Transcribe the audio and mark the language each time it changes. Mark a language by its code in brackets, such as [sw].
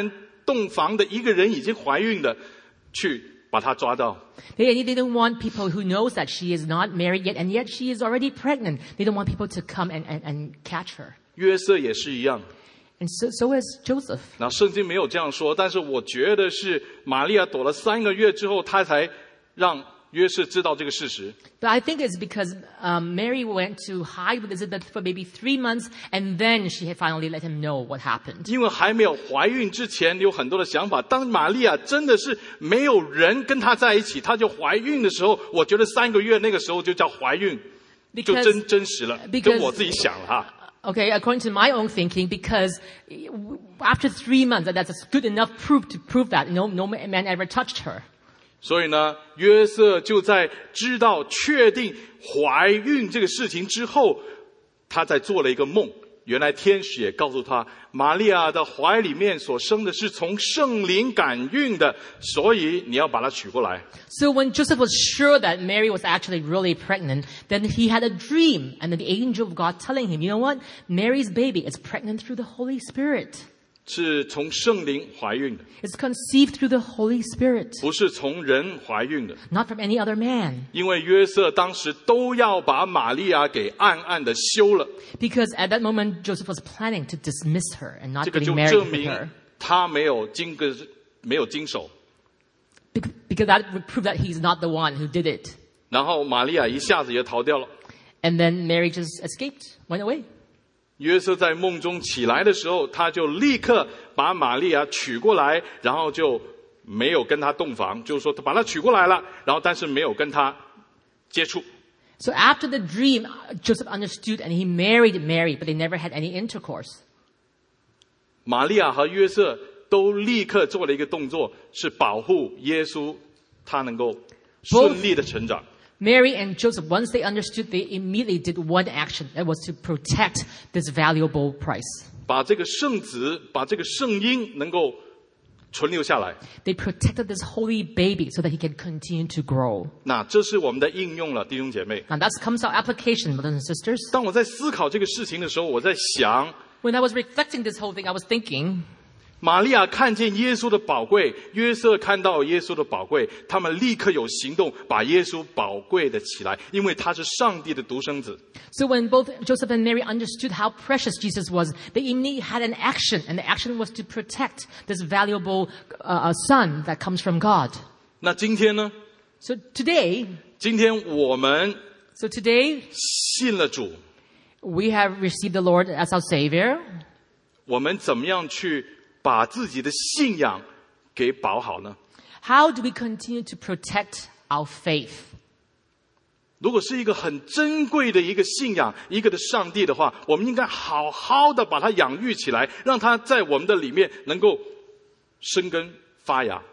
[zh] 也不想人家在冤枉的时候把一个已没有结婚、没有跟男人洞房的一个人已经怀孕的。 [en] They don't want people who knows that she is not married yet, and yet she is already pregnant. They don't want people to come and catch her. [zh] 约瑟也是一样。 [en] And so is Joseph. [zh] 那圣经没有这样说，但是我觉得是玛利亚躲了三个月之后，她才让约瑟知道这个事实。 [en] But I think it's because Mary went to hide with Elizabeth for maybe 3 months, and then she had finally let him know what happened. [zh] 因为还没有怀孕之前，有很多的想法。当玛利亚真的是没有人跟她在一起，她就怀孕的时候，我觉得三个月那个时候就叫怀孕， [en] because, [zh] 就真实了， [en] because, [zh] 跟我自己想了哈。 [en] Okay, according to my own thinking, because after 3 months, that's a good enough proof to prove that no man ever touched her. [zh] 所以呢，约瑟就在知道确定怀孕这个事情之后，他在做了一个梦。原来天使也告诉他，玛利亚的怀里面所生的是从圣灵感孕的，所以你要把她娶过来。 [en] So when Joseph was sure that Mary was actually really pregnant, then he had a dream, and then the angel of God telling him, you know what? Mary's baby is pregnant through the Holy Spirit. [zh] 是从圣灵怀孕的。 [en] It's conceived through the Holy Spirit. [zh] 不是从人怀孕的。 [en] Not from any other man. [zh] 因为约瑟当时都要把玛利亚给暗暗的休了。 [en] Because at that moment, Joseph was planning to dismiss her and not getting married with her. [zh] 这个就证明他没有经个没有经手。 [en] Because that would prove that he's not the one who did it. [zh] 然后玛利亚一下子也逃掉了。 [en] And then Mary just escaped, went away. [zh] 约瑟在梦中起来的时候，他就立刻把玛利亚娶过来，然后就没有跟他洞房，就是说他把他娶过来了，然后但是没有跟他接触。 [en] So after the dream, Joseph understood and he married Mary, but they never had any intercourse. [zh] 玛利亚和约瑟都立刻做了一个动作，是保护耶稣，他能够顺利的成长。 [en] Mary and Joseph, once they understood, they immediately did one action that was to protect this valuable prize. [zh] 把这个圣子，把这个圣婴能够存留下来。 [en] They protected this holy baby so that he can continue to grow. [zh] 那这是我们的应用了，弟兄姐妹。 [en] Now that comes our application, brothers and sisters. [zh] 当我在思考这个事情的时候，我在想。 [en] When I was reflecting this whole thing, I was thinking. [zh] 玛利亚看见耶稣的宝贵，约瑟看到耶稣的宝贵，他们立刻有行动，把耶稣宝贵的起来，因为他是上帝的独生子。 [en] So when both Joseph and Mary understood how precious Jesus was, they immediately had an action, and the action was to protect this valuable son that comes from God. [zh] 那今天呢 [en] ？So today, [zh] 今天我们 [en] ，So today, [zh] 信了主 [en] ，We have received the Lord as our Savior. [zh] 我们怎么样去？把自己的信仰给保好呢 [en] ？How do we continue to protect our faith？ [zh] 如果是一个很珍贵的一个信仰，一个的上帝的话，我们应该好好的把它养育起来，让它在我们的里面能够生根发芽。